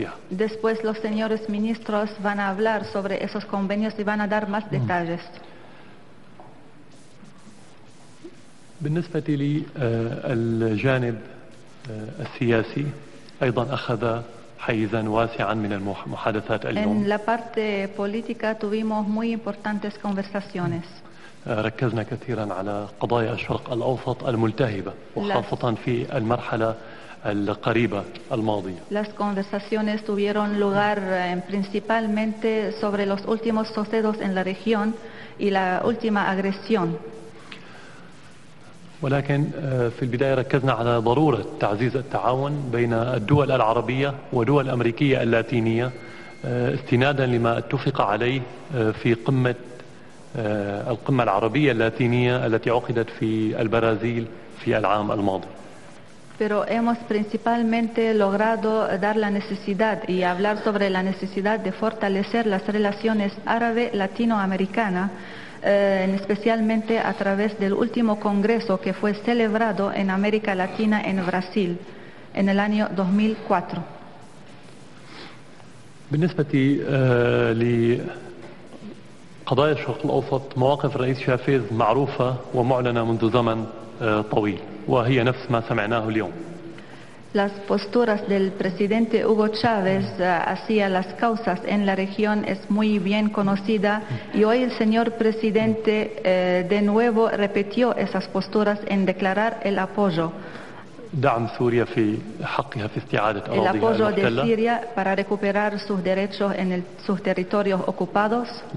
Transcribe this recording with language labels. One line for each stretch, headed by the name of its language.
Spanish: Después los señores ministros van a hablar sobre esos convenios y van a dar más detalles.
Arabic: بالنسبة لي الجانب السياسي أيضا أخذ حيزا واسعا من المحادثات اليوم.
Spanish: En la parte política tuvimos muy importantes conversaciones.
Arabic: ركزنا كثيرا على قضايا الشرق الأوسط الملتهبة وخاصة في المرحلة القريبة الماضية.
Spanish: Las conversaciones tuvieron lugar principalmente sobre los últimos sucesos en la región y la última agresión.
Arabic: ولكن في البداية ركزنا على ضرورة تعزيز التعاون بين الدول العربية ودول أمريكية اللاتينية استنادا لما اتفق عليه في قمة القمة العربية اللاتينية التي عقدت في البرازيل في العام الماضي.
Spanish: Pero hemos principalmente logrado dar la necesidad y hablar sobre la necesidad de fortalecer las relaciones árabe-latinoamericana. Especialmente a través del último congreso que fue celebrado en América Latina en Brasil en el año 2004.
Arabic: بالنسبة لقضايا الشرق الأوسط مواقف الرئيس شافيز معروفة ومعلنة منذ زمن طويل وهي نفس ما سمعناه اليوم.
Spanish: Las posturas del presidente Hugo Chávez hacia las causas en la región es muy bien conocida y hoy el señor presidente de nuevo repitió esas posturas en declarar el apoyo. El apoyo de Siria para recuperar sus derechos en sus territorios ocupados.